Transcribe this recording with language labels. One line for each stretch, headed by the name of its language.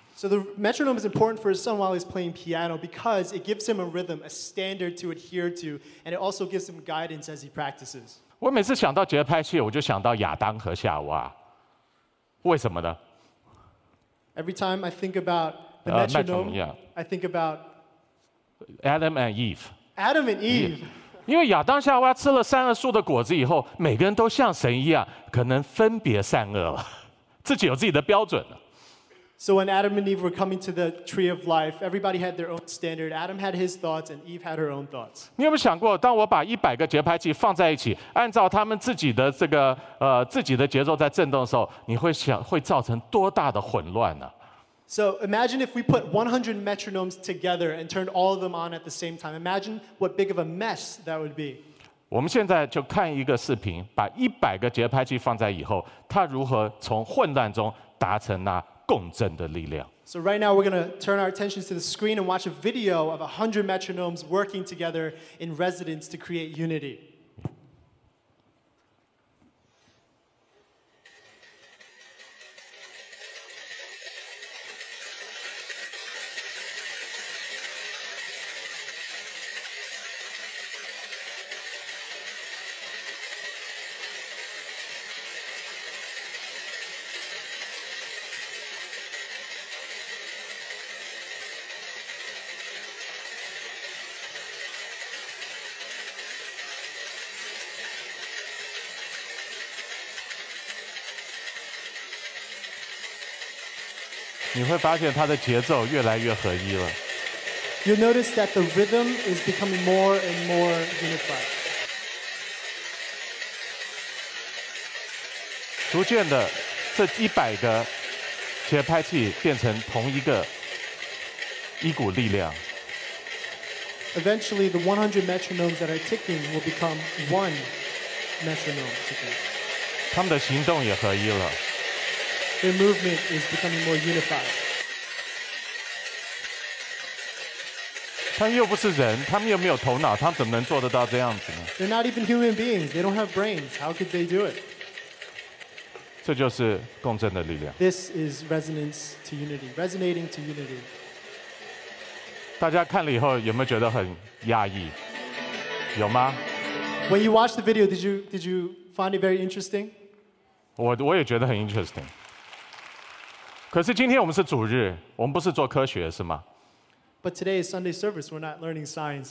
English: So the metronome is important for his son while he's playing piano because it gives him a rhythm, a standard to adhere to, and it also gives him guidance as he practices.
Chinese: 我每次想到节拍器，我就想到亚当和夏娃。为什么呢？
English: Every time I think about the metronome, I think about Adam and Eve. Adam and Eve.
Chinese: 因为亚当夏娃吃了善恶树的果子以后，每个人都像神一样，可能分别善恶了，自己有自己的标准了。
English: So when Adam and Eve were coming to the tree of life, everybody had their own standard. Adam had his thoughts, and Eve had her own thoughts.
Chinese: 你有没有想过，当我把一百个节拍器放在一起，按照他们自己的这个自己的节奏在震动的时候，你会想会造成多大的混乱呢？
English: So imagine if we put 100 metronomes together and turned all of them on at the same time. Imagine what big of a mess that would be.
Chinese: 我们现在就看一个视频，把一百个节拍器放在以后，它如何从混乱中达成那。共振的力量。
English: So right now we're going to turn our attention to the screen and watch a video of 100 metronomes working together in resonance to create unity. You'll notice that the rhythm is becoming more and more unified.
Chinese: 逐渐的，这一百个节拍器变成同一个一股力量。
English: Eventually, the 100 metronomes that are ticking will become one metronome ticking.
Chinese: 他们的行动也合一了。
English: Their movement is becoming more unified.
Chinese: 他们又不是人，他们又没有头脑，他们怎么能做得到这样子呢？
English: They're not even human beings. They don't have brains. How could they do it?
Chinese: 这就是共振的力量。
English: This is resonance to unity, resonating to unity.
Chinese: 大家看了以后有没有觉得很讶异？有吗？
English: When you watched the video, did you find it very interesting?
Chinese: 我也觉得很 interesting. 可是今天我们是主日，我们不是做科学，是吗？
English: But today is Sunday service. We're not learning science.